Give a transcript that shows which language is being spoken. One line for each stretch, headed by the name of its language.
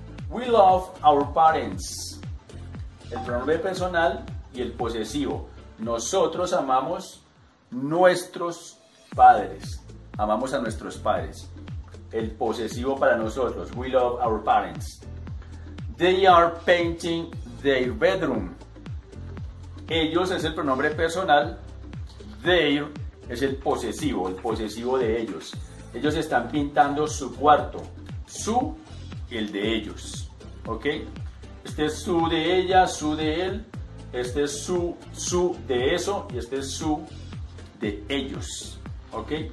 English: We love our parents.
Spanish: El pronombre personal y el posesivo. Nosotros amamos nuestros padres. Amamos a nuestros padres. El posesivo para nosotros.
English: We love our parents. They are painting their bedroom.
Spanish: Ellos es el pronombre personal. Their es el posesivo de ellos. Ellos están pintando su cuarto, su, el de ellos, ¿ok? Este es su de ella, su de él, Este es su de eso y este es su de ellos. ¿Ok?